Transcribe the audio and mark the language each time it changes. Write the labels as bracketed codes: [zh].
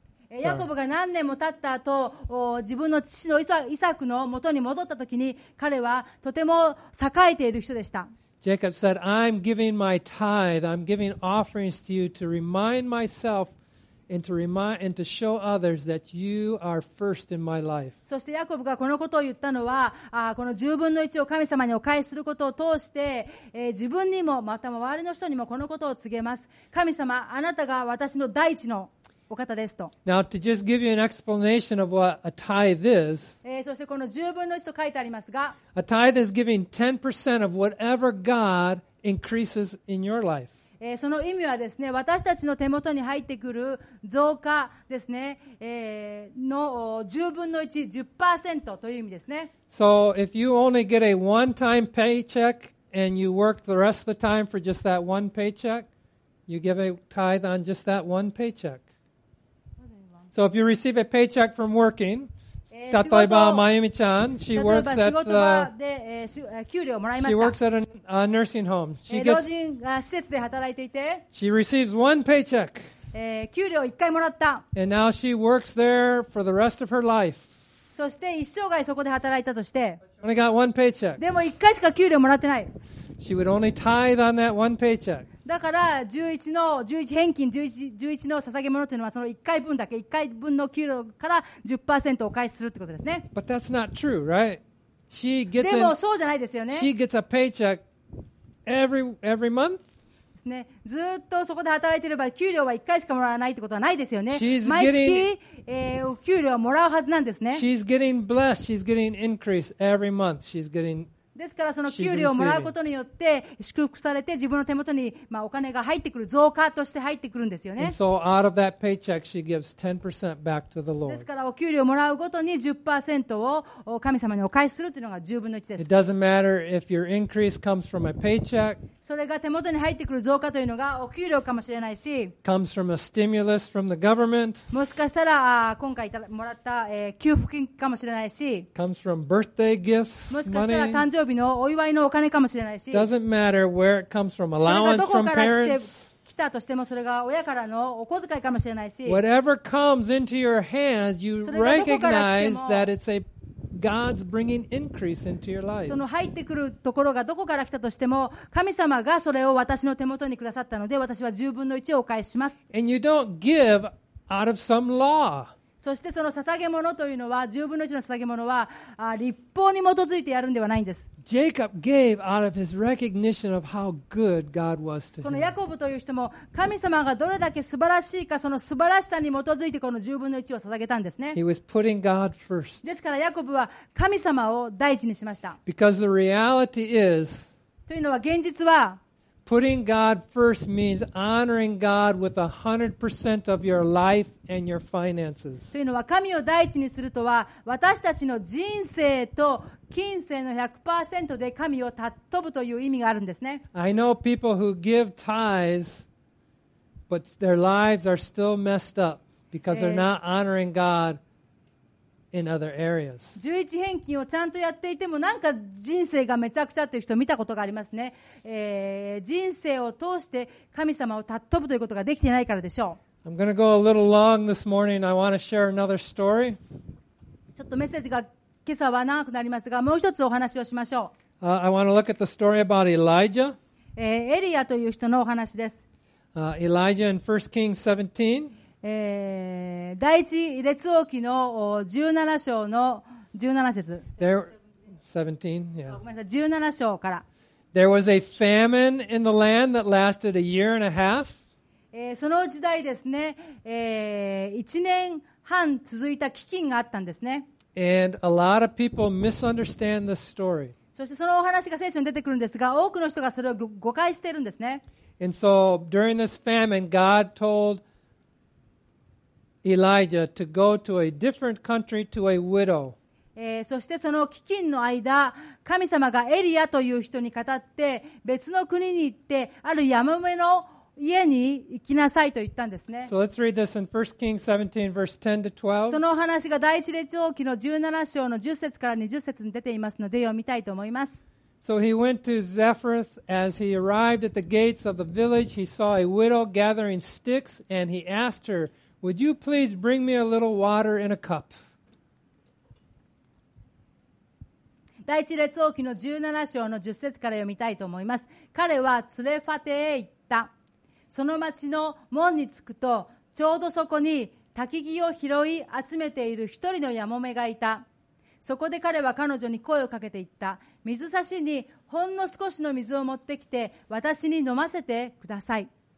[ja] ヤコブが何年も経った後、自分の父のイサクの元に戻った時に、彼はとても栄えている人でした。 [en] Jacob said, I'm giving my tithe, I'm giving offerings to you to remind myself and to show others that you are first in my life. [ja] そしてヤコブがこのことを言ったのは、この十分の一を神様にお返しすることを通して、自分にもまた周りの人にもこのことを告げます。神様、あなたが私の第一のお方ですと。 [en] Now to just give you an explanation of what a tithe is. [ja] そしてこの十分の一と書いてありますが、 [en] a tithe is giving 10% of whatever God increases in your life. [ja] その意味はですね、私たちの手元に入ってくる増加ですね、の十分の一 10% という意味ですね。 [en] So if you only get a one-time paycheck and you work the rest of the time for just that one paycheck, you give a tithe on just that one paycheck. So if you receive a paycheck from working, [ja] 例えば真由美ちゃん、 [en] she works at the [ja] 給料をもらいました。 [en] She works at a nursing home. She gets, [ja] 老人が施設で働いていて、 [en] she receives one paycheck. [ja] 給料を1回もらった。 [en] And now she works there for the rest of her life. [ja] そして一生涯そこで働いたとして、 [en] she only got one paycheck. [ja] でも1回しか給料もらってない。 [en] She would only tithe on that one paycheck. [ja] だから11の11返金 11の捧げ物というのはその1回分だけ1回分の給料から 10% お返しするということですね。 [en] But that's not true, right? She gets [ja] でもそうじゃないですよね。 [en] She gets a paycheck every month [ja] ですね。ずっとそこで働いていれば給料は1回しかもらわないということはないですよね。 [en] She's [ja] 毎月 [en] getting, [ja] 給料をもらうはずなんですね。 [en] She's getting blessed, she's getting increase every month, she's getting [ja] ですからその給料をもらうことによって祝福されて自分の手元にまあお金が入ってくる増加として入ってくるんですよね。 [en] So out of that paycheck, she gives 10% back to the Lord. [ja] ですからお給料をもらうごとに 10% を神様にお返しするというのが10分の1です。 [en] It doesn't matter if your increase comes from a paycheck. [ja] それが手元に入ってくる増加というのがお給料かもしれないし、 [en] comes from a stimulus from the government. [ja] もしかしたら今回もらった給付金かもしれないし、 [en] comes from birthday gifts. [ja] もしかしたら誕生日のお祝いのお金かもしれないし、 [en] doesn't matter where it comes from, allowance from parents. [ja] それがどこから来たとしてもそれが親からのお小遣いかもしれないし、 [en] whatever comes into your hands, you recognize that it's a God's bringing increase into your life. [ja] その入ってくるところがどこから来たとしても、神様がそれを私の手元にくださったので、私は十分の一をお返しします。 [en] And you don't give out of some law. [ja] そしてその捧げ物というのは十分の一の捧げ物は立法に基づいてやるんではないんです。このヤコブという人も神様がどれだけ素晴らしいか、その素晴らしさに基づいてこの十分の一を捧げたんですね。 [en] He was putting God first. [ja] ですからヤコブは神様を第一にしました。 [en] Because the reality is, [ja] というのは現実は [en] putting God first means honoring God with 100% of your life and your finances. [ja] というのは神を第一にするとは、私たちの人生と金銭の 100% で神を尊ぶという意味があるんですね。 [en] I know people who give tithes, but their lives are still messed up because they're not honoring God. In other areas. [ja] 11返金をちゃんとやっていてもなんか人生がめちゃくちゃという人を見たことがありますね。人生を通して神様を尊ぶということができていないからでしょう。 [en] I'm going to go a little long this morning. I want to share another story. [ja] ちょっとメッセージが今朝は長くなりますが、もう一つお話をしましょう。 [en] I want to look at the story about Elijah. [ja] エリアという人のお話です。 [en] Elijah in 1 Kings 17 [ja] 第一列王記の17章の17節。 [en] There, 17, yeah. [ja] 17章から。 [en] There was a famine in the land that lasted a year and a half. [ja] その時代ですね、1年半続いた飢饉があったんですね。 [en] And a lot of people misunderstand this story. [ja] そしてそのお話が聖書に出てくるんですが、多くの人がそれを誤解しているんですね。 [en] And so during this famine, God told Elijah to go to a different country to a widow. [ja] そしてその飢饉の間、神様がエリアという人に語って別の国に行ってあるヤマメの家に行きなさいと言ったんですね。 [en] So let's read this in 1 Kings 17 verse 10 to 12. [ja] その話が第一列王記の17章の10節から20節に出ていますので読みたいと思います。 [en] So he went to Zephath. As he arrived at the gates of the village, he saw a widow gathering sticks, and he asked her, "Would you please bring me a little water in a cup?" [ja] 第一列王記の17章の10節から読みたいと思います。彼はツレファテへ行った。その町の門に着くと、ちょうどそこに焚き木を拾い集めている一人のヤモメがいた。そこで彼は彼女に声をかけていった。水差しにほんの少しの水を持ってきて、私に飲ませてください。